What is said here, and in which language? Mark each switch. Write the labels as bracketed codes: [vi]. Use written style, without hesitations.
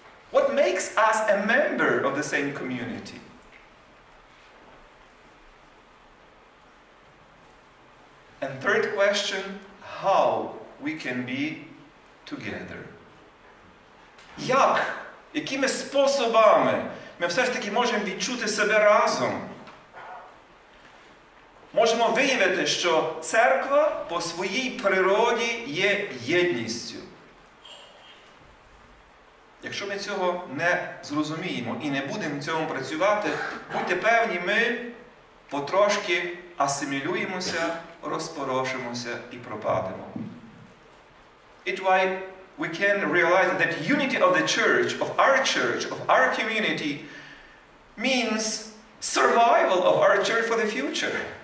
[en] What makes us a member of the same community? And third question, how we can be together. [uk] Як? Якими способами ми все ж таки можемо відчути себе разом? Можемо виявити, що церква по своїй природі є єдністю. Якщо ми цього не зрозуміємо і не будемо в цьому працювати, будьте певні, ми потрошки асимілюємося, розпорошимося і пропадемо. [en] It's why we can realize that unity of the church, of our community, means survival of our church for the future.